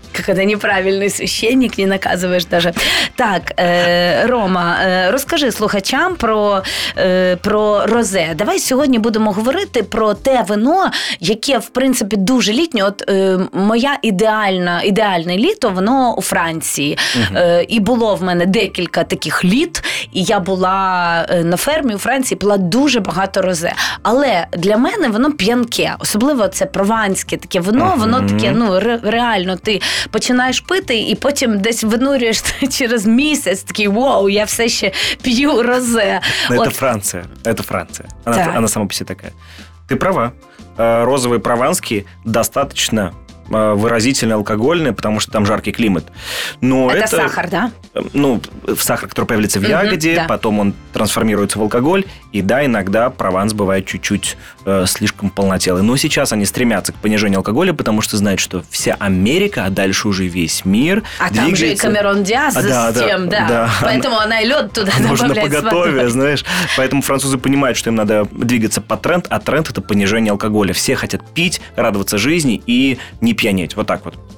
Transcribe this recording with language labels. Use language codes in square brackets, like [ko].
[ru] Какой-то неправильный священник, не наказываешь даже. [uk] Так, Рома, розкажи слухачам про розе. Давай сьогодні будемо говорити про те вино, яке, в принципі, дуже літнє. От моя ідеальне літо, воно у Франції. І було в мене декілька таких літ, і я була на фермі у Франції, пила дуже багато розе. Але для мене воно п'янке. Особливо це прованське таке вино, воно таке, ну, реально, ти... починаєш пити, і потім десь винурюєш через місяць, такий, вау, я все ще п'ю розе. Це Франція. Вона сама по собі така. Ти права. Розовий прованський достатньо виразительно алкогольний, тому що там жаркий клімат. Це сахар, да? Ну, сахар, який появляється в ягоді, потім він трансформується в алкоголь, і да, іноді Прованс буває [ru] чуть-чуть слишком полнотелый. Но сейчас они стремятся к понижению алкоголя, потому что знают, что вся Америка, а дальше уже весь мир двигается... там же и Камерон Диас с тем. Поэтому она и лед туда добавляет. Нужно поготовее, знаешь. Поэтому французы понимают, что им надо двигаться по тренд, а тренд – это понижение алкоголя. Все хотят пить, радоваться жизни и не пьянеть. Вот так вот.